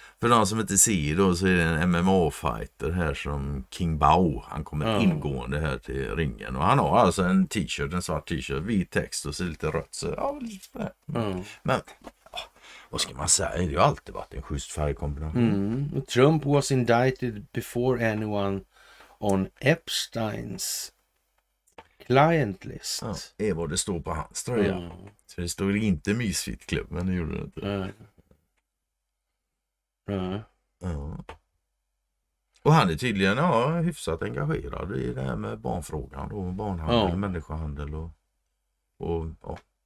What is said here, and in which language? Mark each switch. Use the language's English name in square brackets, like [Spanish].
[Swedish] För de som inte ser då så är det en MMA-fighter här som King Bao. Han kommer ingående här till ringen. Och han har alltså en t-shirt, en svart t-shirt, vit text och ser lite rött. Så, ja, lite. Men... vad ska man säga? Det har alltid varit en schysst färgkombination. Mm. [English] Trump was indicted before anyone on Epsteins client list. [Swedish] Ja, är vad det står på hans tröja. Mm. Så det står inte misfit klubb, men det gjorde det inte. Mm. Mm. Ja. Och han är tydligen hyfsat engagerad i det här med barnfrågan och barnhandel, människohandel och ja.